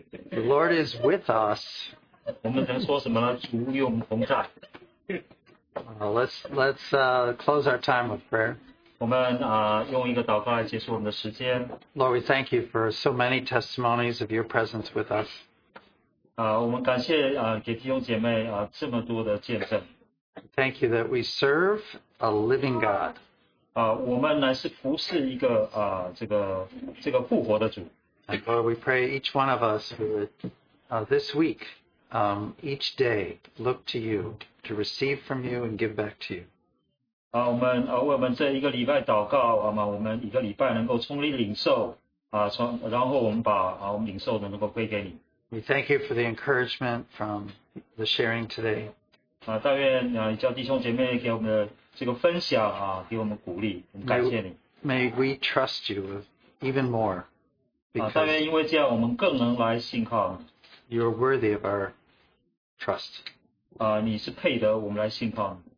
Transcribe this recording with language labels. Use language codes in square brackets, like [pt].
[en] The Lord is with us. [zh] 我们能说什么呢？主与我们同在。 [en] Let's close our time of prayer. [zh] 我们用一个祷告来结束我们的时间。 [en] Lord, we thank you for so many testimonies of your presence with us. [zh] 我们感谢给弟兄姐妹这么多的见证。 [en] Thank you that we serve a living God. [zh] 我们乃是服侍一个这个复活的主。 [en] And Lord, we pray each one of us would this week, each day, look to you to receive from you and give back to you. [zh] 我们这一个礼拜祷告我们一个礼拜能够从你领受然后我们把我们领受的能够归给你。 [en] We thank you for the encouragement from the sharing today. [zh] 但愿叫弟兄姐妹给我们的这个分享给我们鼓励，很感谢你。 [en] May we trust you even more. [zh] 但愿因为这样我们更能来信靠。 [en] You're worthy of our trust. [zh] 你是配得我们来信靠。